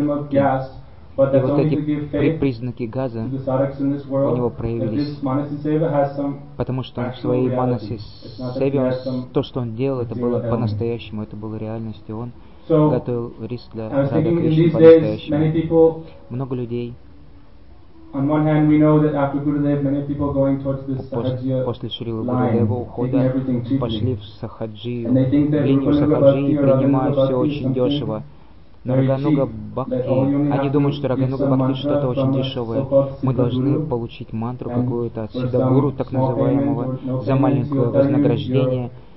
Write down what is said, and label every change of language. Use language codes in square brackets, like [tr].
[ru] И вот эти признаки газа у него проявились, потому что он в своей Манаси Севе, то, что он делал, это было по-настоящему, это было реальностью. Он готовил рис для Раде Кришны по-настоящему. Много людей. [en] On one hand, we know that after Gurudev, many people going towards this Sahajya [ru] после Шрилы Гурудева ухода пошли в Сахаджию, в линию Сахаджи, принимая все очень дешево. Но Рагануга Бхакти, они думают, что Рагануга Бхакти что-то очень дешевое. Мы должны получить мантру какую-то от Сиддхагуру, так называемого, за маленькое вознаграждение.